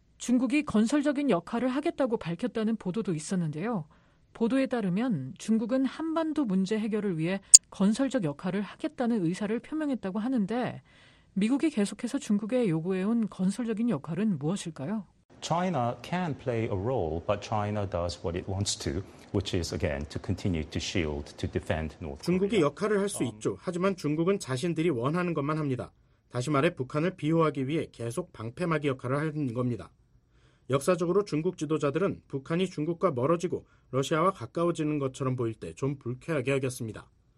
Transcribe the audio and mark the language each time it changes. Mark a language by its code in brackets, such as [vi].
[ko] 중국이 건설적인 역할을 하겠다고 밝혔다는 보도도 있었는데요. 보도에 따르면 중국은 한반도 문제 해결을 위해 건설적 역할을 하겠다는 의사를 표명했다고 하는데 미국이 계속해서 중국에 요구해온 건설적인 역할은 무엇일까요? [en] China can play a role, but China does what it wants to, which is again to continue to shield, to defend North Korea. [ko] 중국이 역할을 할 수 있죠. 하지만 중국은 자신들이 원하는 것만 합니다. 다시 말해 북한을 비호하기 위해 계속 방패막이 역할을 하는 겁니다. 역사적으로 중국 지도자들은 북한이 중국과 멀어지고 러시아와 가까워지는 것처럼 보일 때 좀 불쾌하게 여겼습니다.